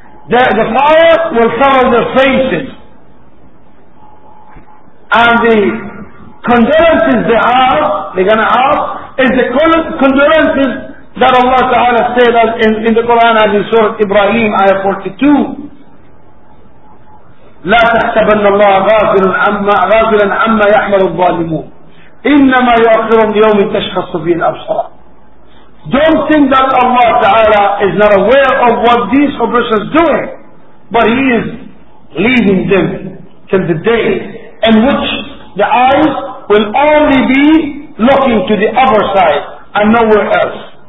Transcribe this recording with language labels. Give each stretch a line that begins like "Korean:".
English: The fire will cover their faces, and the condolences they are, they're gonna have, is the condolences that Allah Ta'ala said in the Quran and in Surah Ibrahim, ayah 42.
Arabic: لا تحسبن الله غافلا عما يعمل الظالمون إنما يؤخرهم ليوم تشخص فيه الأبصار.
English: Don't think that Allah Ta'ala is not aware of what these oppressors do, but He is leaving them till the day in which the eyes will only be looking to the other side and nowhere else.